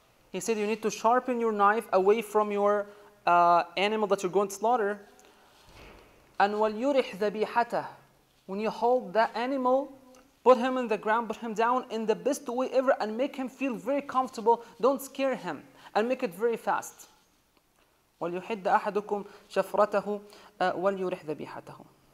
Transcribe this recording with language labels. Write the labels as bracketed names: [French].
[English] He said you need to sharpen your knife away from your animal that you're going to slaughter. And [Arabic] وَلْيُرِحْ ذَبِيحَتَهُ. [English] When you hold that animal, put him in the ground, put him down in the best way ever and make him feel very comfortable. Don't scare him and make it very fast. [Arabic] وَلْيُحِدَّ أَحَدُكُمْ شَفْرَتَهُ وَلْيُرِحْ ذَبِيحَتَهُ.